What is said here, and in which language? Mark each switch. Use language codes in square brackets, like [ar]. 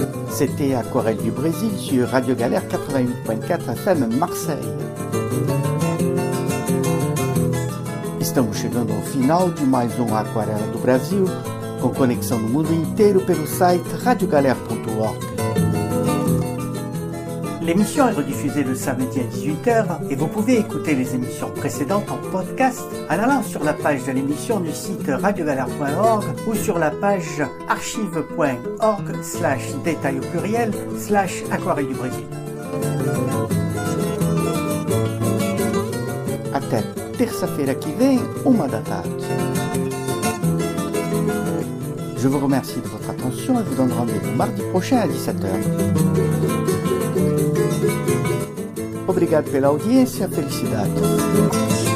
[fr] C'était Aquarelle du Brésil sur Radio Galère 88.4 FM Marseille. [pt] Estamos chegando ao final de mais um Aquarela do Brasil, com conexão no mundo inteiro pelo site radiogalère.org. [fr] L'émission est rediffusée le samedi à 18h et vous pouvez écouter les émissions précédentes en podcast en allant sur la page de l'émission du site radiogalère.org ou sur la page archive.org/détail au pluriel/aquarelle du Brésil. [pt] Até terça-feira que vem, uma da tarde. [fr] Je vous remercie de votre attention et vous donne rendez-vous mardi prochain à 17h. [pt] Obrigado pela audiência. Felicidades.